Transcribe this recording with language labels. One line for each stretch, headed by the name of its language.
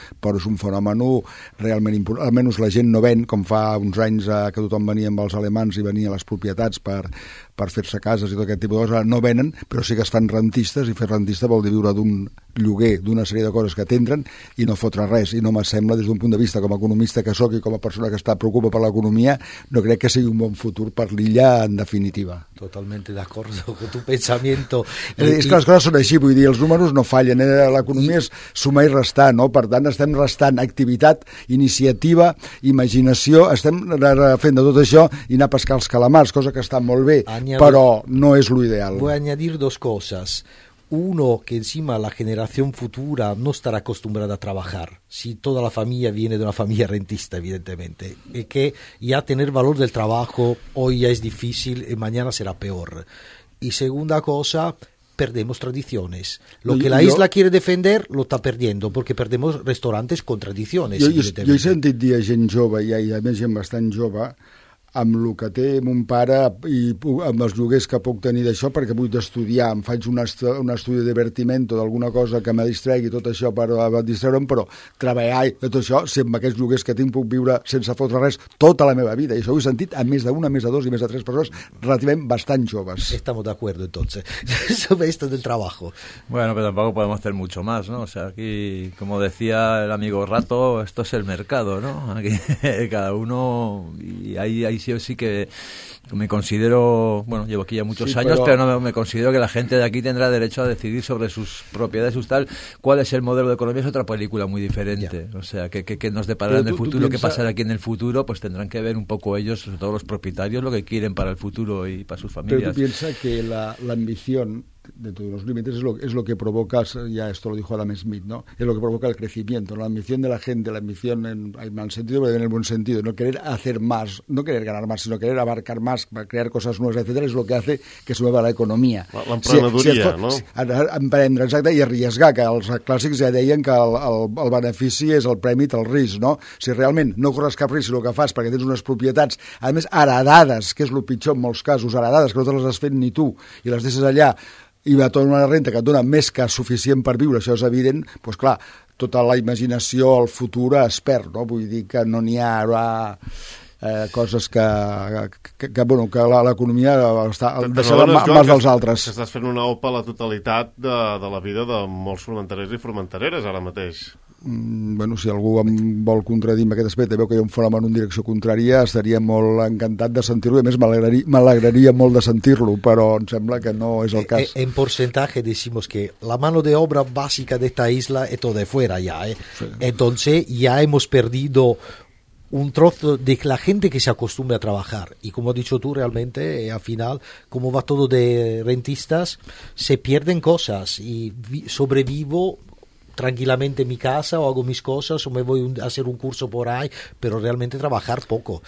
Catalan: Però és un fenomen realment important, almenys la gent no ve com fa uns anys que tothom venia amb els alemans i venia a les propietats per fer-se cases i tot aquest tipus de coses. No venen, però sí que es fan rentistes, i fer rentista vol dir viure d'un lloguer, d'una sèrie de coses que t'entren i no fotre res. I no m'assembla, des d'un punt de vista com a economista que sóc i com a persona que està preocupa per l'economia, no crec que sigui un bon futur per l'illa en definitiva.
Spanish: Totalmente de acuerdo con tu pensamiento.
Catalan: És que les coses són així, vull dir, els números no fallen, l'economia és sumar i restar, no? Per tant, estem restant activitat, iniciativa, imaginació, estem fent de tot això i anar a pescar els calamars, cosa que està molt bé.
Spanish: Pero no es lo ideal. Voy a añadir dos cosas. Uno, que encima la generación futura no estará acostumbrada a trabajar, si toda la familia viene de una familia rentista, evidentemente, y que ya tener valor del trabajo hoy ya es difícil y mañana será peor. Y segunda cosa, perdemos tradiciones. Lo que la isla quiere defender lo está perdiendo porque perdemos restaurantes con tradiciones. Yo he sentido
Catalan: dir a gent jove,
Spanish: y hay
Catalan: gent bastante jove, amb el que té mon pare i amb els lloguers que puc tenir d'això perquè vull estudiar, em faig un estudi de divertiment o d'alguna cosa que me distregui tot això per distreure'm, però treballar i tot això, si amb aquests lloguers que tinc puc viure sense fotre res tota la meva vida, i això ho he sentit a més d'una, més de dos i més de tres persones relativament bastant joves.
Spanish: Estamos de acuerdo, entonces, sobre esto del trabajo. Bueno, pero tampoco podemos hacer mucho más, ¿no? O sea, aquí, como decía el amigo Rato, esto es el mercado, ¿no? Aquí cada uno, y hay y sí que me considero, bueno, llevo aquí ya muchos años, pero no me considero que la gente de aquí tendrá derecho a decidir sobre sus propiedades, sus tal, cuál es el modelo de economía, es otra película muy diferente, ya. O sea, que nos deparará en el futuro, piensa, qué pasará aquí en el futuro, pues tendrán que ver un poco ellos, sobre todo los propietarios, lo que quieren para el futuro y para sus familias. Pero tú piensas que la ambición dentro de los límites es lo que provoca, ya esto lo dijo Adam Smith, ¿no? Es lo que provoca el crecimiento, ¿no? La ambición de la gente, la ambición en el mal sentido, pero en el buen sentido, no querer hacer más, no querer ganar más, sino querer abarcar más, crear cosas nuevas, etcétera, es lo que hace que se mueva la economía.
Catalan: L'emprenedoria,
Spanish: ¿no?
Catalan: Emprendre, exacte, i arriesgar, que els clàssics ja deien que el benefici és el premi del risc, ¿no? Si realment no corres cap risc, sinó que fas perquè tens unes propietats, a més, heredades, que és el pitjor en molts casos, heredades, que no te les has fet ni tu, i les deixes allà i va tornar una renta que et dona més que suficient per viure, això és evident, doncs clar, tota la imaginació al futur es perd, no? Vull dir que no n'hi ha ara coses que l'economia està deixada en mans dels altres. Estàs fent una opa a la totalitat de la vida de molts formentereres i formentereres ara mateix. Bueno, si algú em vol contradir en aquest aspecte, veu que hi ha un fenomen en direcció contrària, estaria molt encantat de sentir-lo, a més m'alegraria molt de sentir-lo, però em sembla que no és el cas. En percentatge
Spanish: decimos que la mano de obra básica d'esta isla es todo de fuera ya, ¿eh? Sí. Entonces ya hemos perdido un trozo de la gente que se acostumbra a trabajar. Y como has dicho tú, realmente, al final, como va todo de rentistas, se pierden cosas y sobrevivo tranquilamente en mi casa o hago mis cosas o me voy a hacer un curso por ahí, pero realmente trabajar poco.